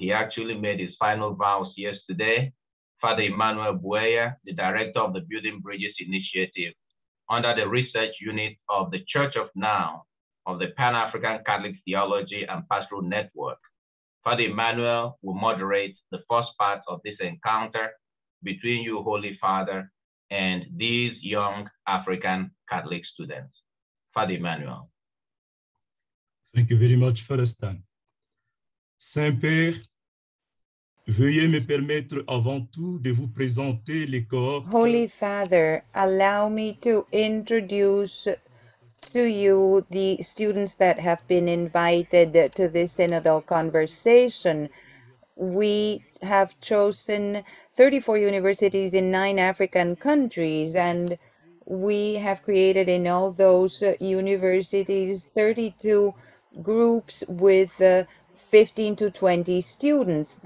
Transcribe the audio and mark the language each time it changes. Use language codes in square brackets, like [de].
[en] He actually made his final vows yesterday, Father Emmanuel Bueya, the director of the Building Bridges Initiative under the research unit of the Church of Now of the Pan-African Catholic Theology and Pastoral Network. Father Emmanuel will moderate the first part of this encounter between you, Holy Father, and these young African Catholic students. Father Emmanuel. Thank you very much, Father Stan. [fr] Saint-Père, veuillez me permettre avant tout de vous présenter les corps. [en] Holy Father, allow me to introduce to you the students that have been invited to this synodal conversation. We have chosen 34 universities in 9 African countries, and we have created in all those universities 32 groups with 15 to 20 students.